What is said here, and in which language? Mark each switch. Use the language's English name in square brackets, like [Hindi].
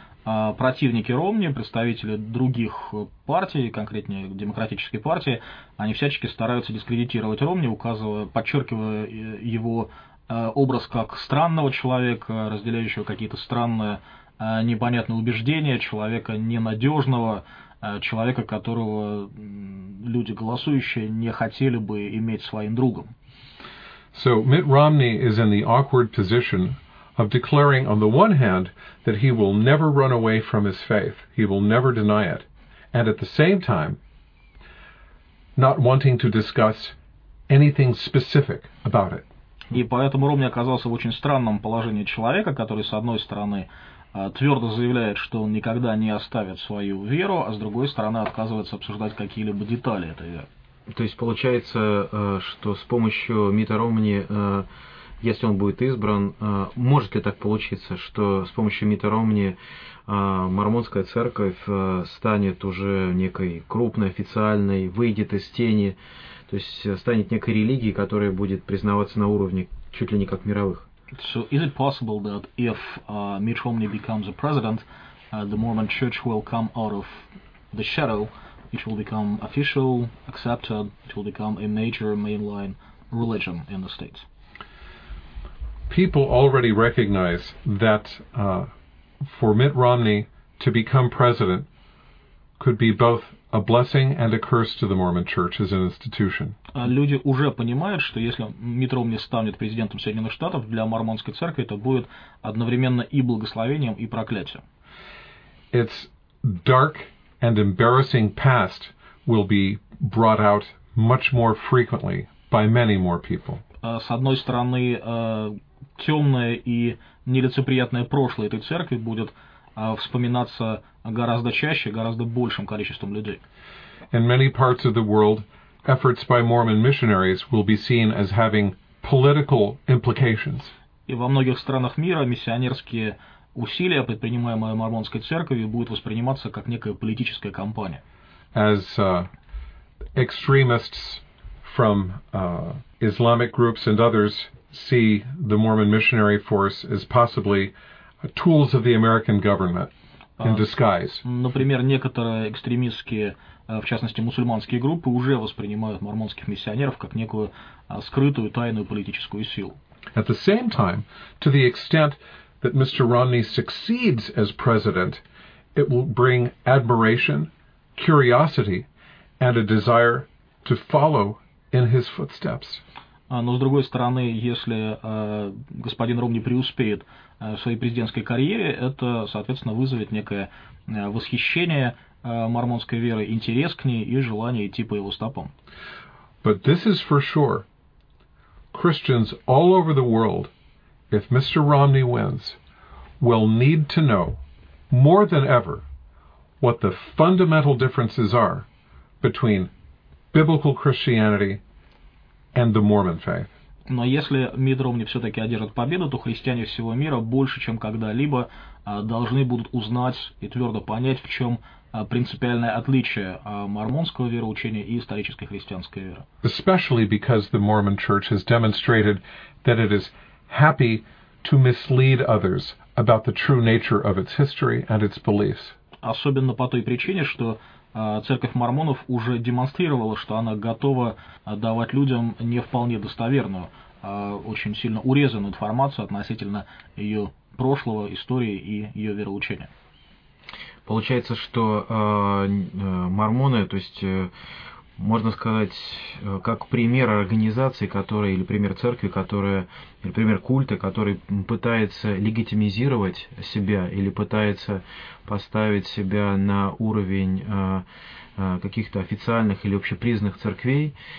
[Russian] противники Ромни, представители других партий, конкретнее Демократической партии, они всячески стараются дискредитировать Ромни, указывая, подчеркивая его образ как странного человека, разделяющего какие-то странные, непонятные убеждения, человека ненадежного, человека, которого люди голосующие не хотели бы иметь своим другом. [English] So Mitt Romney is in the awkward position of declaring on the one hand that he will never run away from his faith, he will never deny it, and at the same time not wanting to discuss anything specific about it. [Russian] И поэтому Ромни оказался в очень странном положении человека, который с одной стороны твердо заявляет, что он никогда не оставит свою веру, а с другой стороны отказывается обсуждать какие-либо детали этой веры. То есть получается, что с помощью Митта Ромни, если он будет избран, может ли так получиться, что с помощью Митта Ромни Мормонская церковь станет уже некой крупной, официальной, выйдет из тени, то есть станет некой религией, которая будет признаваться на уровне чуть ли не как мировых? [English] So is it possible that if Mitt Romney becomes a president, the Mormon Church will come out of the shadow? It will become official, accepted, it will become a major mainline religion in the States. People already recognize that for Mitt Romney to become president could be both a blessing and a curse to the Mormon Church as an institution. [Russian] Люди уже понимают, что если Митт Ромни станет президентом Соединенных Штатов, для Мормонской Церкви это будет одновременно и благословением, и проклятием. [English] It's dark and embarrassing past will be brought out much more frequently by many more people. [Russian] С одной стороны, темное и нелицеприятное прошлое этой церкви будет вспоминаться гораздо чаще, гораздо большим количеством людей. [English] In many parts of the world, efforts by Mormon missionaries will be seen as having political implications. [Russian] И во многих странах мира миссионерские усилия, предпринимаемые Мормонской церковью, будут восприниматься как некая политическая кампания. [English] As extremists from Islamic groups and others see the Mormon missionary force as possibly tools of the American government. in disguise. [Russian] Например, некоторые экстремистские, в частности, мусульманские группы уже воспринимают мормонских миссионеров как некую скрытую тайную политическую силу. [English] At the same time, to the extent that Mr. Romney succeeds as president, it will bring admiration, curiosity, and a desire to follow in his footsteps. [Russian] Но с другой стороны, если господин Ромни преуспеет в своей президентской карьере, это, соответственно, вызовет некое восхищение мормонской веры, интерес к ней и желание идти по его стопам. [English] But this is for sure. Christians all over the world, if Mr. Romney wins, will need to know more than ever what the fundamental differences are between biblical Christianity and the Mormon faith. [Russian] Но если Митт Ромни все-таки одержит победу, то христиане всего мира больше, чем когда-либо, должны будут узнать и твердо понять, в чем принципиальное отличие мормонского вероучения и исторической христианской веры. [English] Especially because the Mormon Church has demonstrated that it is happy to mislead others about the true nature of its history and its beliefs. [Russian] Особенно по той причине, что Церковь мормонов уже демонстрировала, что она готова давать людям не вполне достоверную, а очень сильно урезанную информацию относительно ее прошлого, истории и ее вероучения. Получается, что мормоны, то есть можно сказать, как пример организации, которая, или пример церкви, которая, или пример культа, который пытается легитимизировать себя или пытается поставить себя на уровень каких-то официальных или общепризнанных церквей.